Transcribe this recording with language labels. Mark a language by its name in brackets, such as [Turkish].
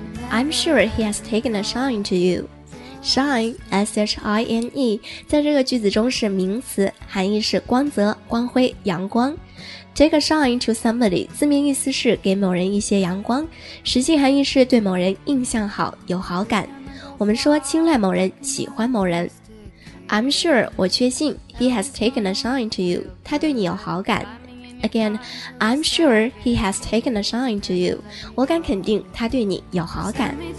[English] I'm sure he has taken a shine to you. [Chinese] Shine, S-H-I-N-E, 在这个句子中是名词，含义是光泽、光辉、阳光。 [English] Take a shine to somebody, [Chinese] 字面意思是给某人一些阳光，实际含义是对某人印象好、有好感。我们说青睐某人、喜欢某人。 [English] I'm sure, [Chinese] 我确信 [English] he has taken a shine to you, [Chinese] 他对你有好感。 [English] Again, I'm sure he has taken a shine to you. [Chinese] 我敢肯定他对你有好感。